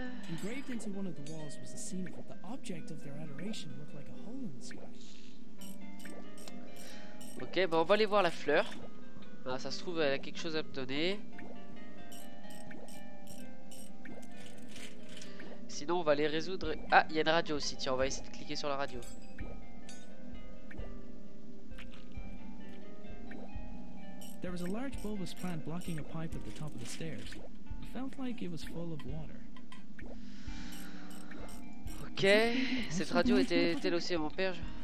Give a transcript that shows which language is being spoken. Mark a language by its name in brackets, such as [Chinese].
[English] Engraved into one of the walls was a scene of what the object of their adoration looked like a hole in the sky. [French] Ok, bah on va aller voir la fleur. Ah, ça se trouve, elle a quelque chose à me donner. Sinon, on va aller résoudre. Ah, il y a une radio aussi. Tiens, on va essayer de cliquer sur la radio. [English] There was a large bulbous plant blocking a pipe at the top of the stairs. It felt like it was full of water. [French] Ok, cette radio était-elle aussi à mon père?